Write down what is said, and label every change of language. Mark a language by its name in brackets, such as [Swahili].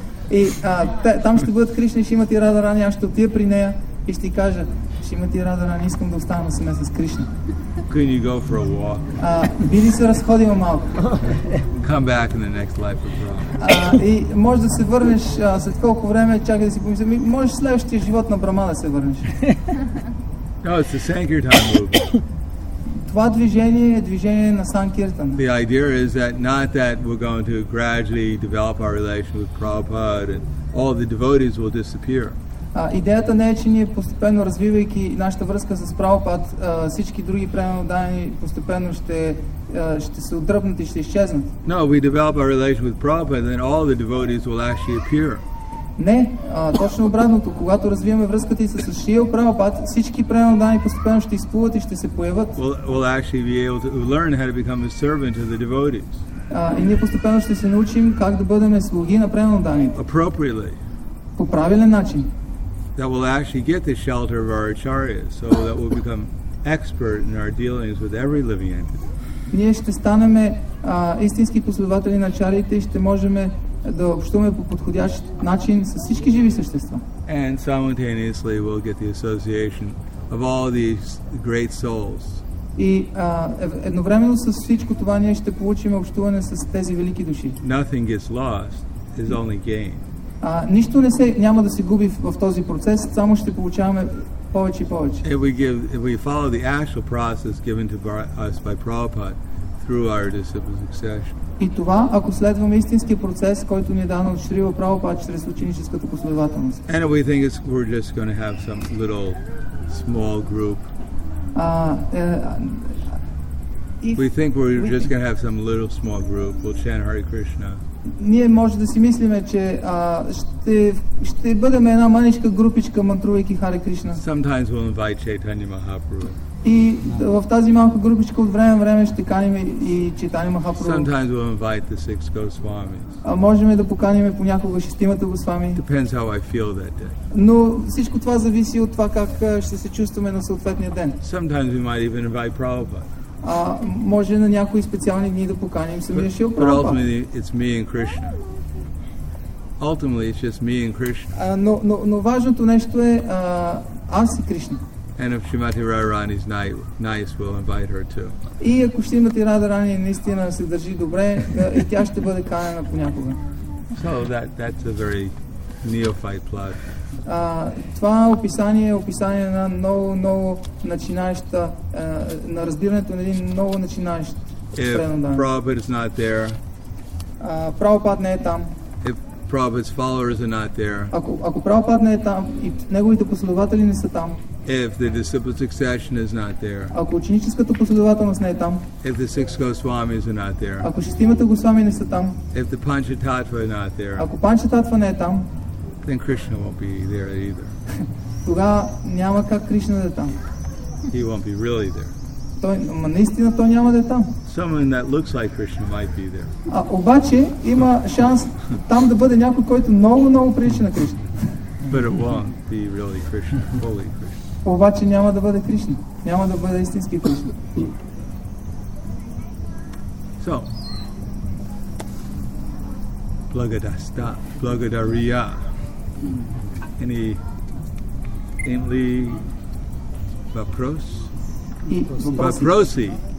[Bulgarian] И там ще бъдат Кришна и Шримати Радарани, аз ще отида при нея и ще ти кажа, Шримати Радарани, искам да останам саме с Кришна. [English] Can you go for a walk? [Bulgarian] Би ли се разходила малко? [English] Come back in the next life of Brahma. [Bulgarian] И можеш да се върнеш след колко време, чакай да си помисля, можеш следващия живот на Брама да се върнеш. [English] No, it's the Sankirtan movement. [Bulgarian] Това движение е движение на Санкиртан. [English] The idea is that not that we're going to gradually develop our relation with Prabhupada and all the devotees will disappear. [Bulgarian] Идеята не е, че ние постепенно развивайки нашата връзка с Прабхупад, всички други преданни постепенно ще се отдръпнат и ще изчезнат. [English] No, we develop our relation with Prabhupada and all the devotees will actually appear. [Bulgarian] Не, точно обратното. Когато развиваме връзката и с Шрила Прабхупад, всички преданни постепенно ще изплуват и ще се появат. [English] We'll actually be able to learn how to become a servant of the devotees. [Bulgarian] И ние постепенно ще се научим как да бъдем слуги на преданните. [English] Appropriately. [Bulgarian] По правилен начин. [English] That we'll actually get the shelter of our acharyas, so that we'll become expert in our dealings with every living entity. [Bulgarian] Ние ще станем истински последователи на ачарите и ще можем да общуваме по подходящ начин с всички живи същества. [English] And simultaneously we'll get the association of all these great souls. [Bulgarian] И едновременно с всичко това ние ще получим общуване с тези велики души. [English] Nothing gets lost, it's only gain. [Bulgarian] Нищо не се няма да се губи в този процес, само ще получаваме повече и повече. [English] If we give, if we follow the actual process given to us by Prabhupada through our disciple succession. [Bulgarian] И това, ако следваме истинския процес, който ни е дан от Шрила Прабхупада чрез ученическата последователност. [English] And if we think it's, we're just going to have some little small group. We think we're just going to have some little small group. We'll chant Hare Krishna. [Bulgarian] Ние може да си мислиме, че ще бъдем една маничка групичка, мантрувайки Харе Кришна. [English] Sometimes we'll invite Chaitanya Mahaprabhu. [Bulgarian] И в тази малка групичка от време на време ще каним и Chaitanya Mahaprabhu. [English] Sometimes we'll invite the six Goswamis. [Bulgarian] А можем да поканим понякога шестимата Госвами. [English] Depends how I feel that day. [Bulgarian] Но всичко това зависи от това как ще се чувстваме на съответния ден. [English] Sometimes we might even invite Prabhupada. [Bulgarian] Може на някои специални дни да поканим самия Шрила Прабхупада. [English] But ultimately, it's me and Krishna. Ultimately, it's just me and Krishna. [Bulgarian] Но важното нещо е аз и Кришна. [English] And if Shrimati Radharani is nice, we'll invite her too. [Bulgarian] И ако Шримати Радарани наистина се държи добре, и тя ще бъде канена понякога. [English] So that's a very neophyte plug. [Bulgarian] Това описание е описание на много начинаещ, на разбирането на един много начинаещ преданан. [English] Prabhupada is not there. [Bulgarian] Prabhupada не е там. [English] If Prabhupada's followers are not there. [Bulgarian] Ако Prabhupada не е там и неговите последователи не са там. [English] If the disciple succession is not there. [Bulgarian] Ако ученическата последователност не е там. [English] If the six Goswamis are not there. [Bulgarian] Ако шестимата Госвами не са там. [English] If the Panchatattva are not there. [Bulgarian] Ако Панчататва не е там. [English] Then Krishna won't be there either. [Bulgarian] Тога няма как Кришна да е там. [English] He won't be really there. [Bulgarian] Той, ма наистина той няма да е там. [English] Someone that looks like Krishna might be there. [Bulgarian] А обаче има шанс там да бъде някой, който много прилича на Кришна. [English] But it won't be really Krishna, fully Krishna. [Bulgarian] Обаче няма да бъде Кришна. Няма да бъде истински Кришна. So, Благодаста, Благодария. Any Emily Vapros? Vaprosi.